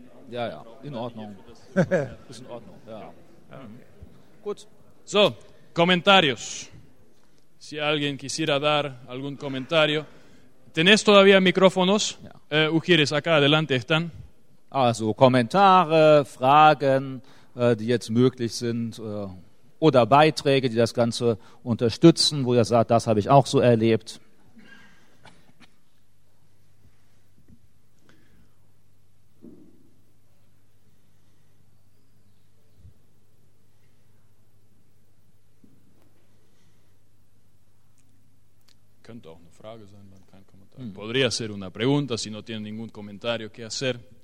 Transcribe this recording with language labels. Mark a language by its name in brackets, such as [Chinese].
[German] Ja, in Ordnung. Ist in Ordnung, ja. Gut. So, [Spanish] comentarios. Si alguien quisiera dar algún comentario. ¿Tenés todavía micrófonos? Ujieres, acá adelante están. [German] Also, Kommentare, Fragen, die jetzt möglich sind, oder Beiträge, die das Ganze unterstützen, wo ihr sagt, das habe ich auch so erlebt. Könnte auch eine Frage sein, dann kein Kommentar. [Spanish] Podría ser una pregunta, si no tiene ningún comentario que hacer.